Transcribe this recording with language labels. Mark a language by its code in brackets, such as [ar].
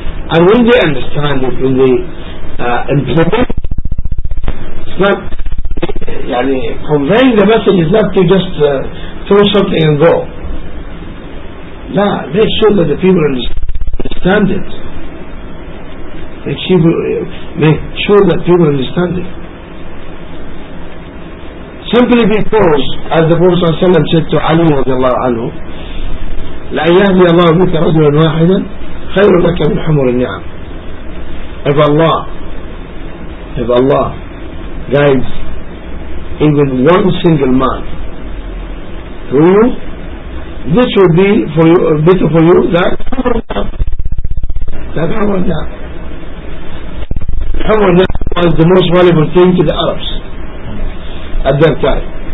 [en] And when they understand it, when they implement, it's not yani, conveying the message is not to just throw something and go. Nah, make sure that the people understand it. Make sure that people understand it. Simply because, as the Prophet ﷺ said to Ali radiallahu anhu, [ar] لَأَيَّهْدِ اللَّهُ مِكَ رَجُلًا وَاحِدًا خَيْرٌ لَكَ مِنْ حُمُرِ النِّعَمِ. [en] If Allah guides even one single man through you, this will be for you, better for you than حُمُرِ النِّعَمِ was the most valuable thing to the Arabs at that time.